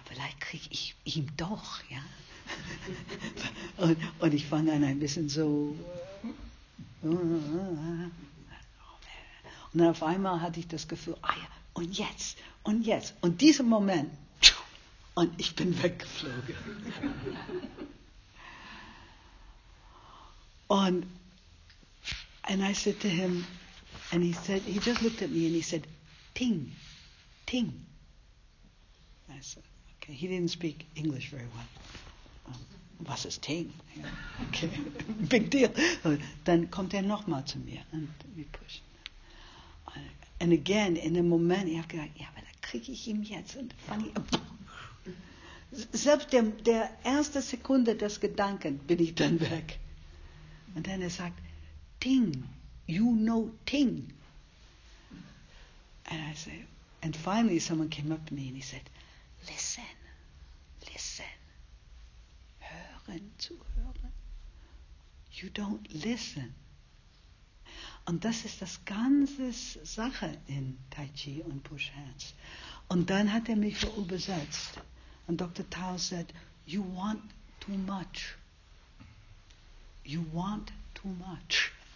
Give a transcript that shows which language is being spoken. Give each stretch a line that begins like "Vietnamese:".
German: vielleicht kriege ich ihn doch, ja. Und ich fange an ein bisschen so. Und dann auf einmal hatte ich das Gefühl, ah ja, und jetzt, und jetzt, und diesen Moment, und ich bin weggeflogen.
English: And I said to him, and he said, he just looked at me and he said, ting, ting. I said, okay, he didn't speak English very well.
German: Was ist ting?
English: Okay, big deal.
German: Dann kommt nochmal zu mir
English: and we push. And again, in a moment,
German: ich habe gedacht, ja, aber da kriege ich ihn jetzt. Und fange ich, selbst der erste Sekunde des Gedanken bin ich dann weg. Und dann er sagt, ting,
English: you know
German: ting.
English: And I say, and finally someone came up to me and he said, listen, listen,
German: hören, zuhören.
English: You don't listen.
German: Und das ist das ganze Sache in Tai Chi und Push Hands. Und dann hat er mich verübersetzt. Und Dr. Tao
English: said, you want too much. You want too much.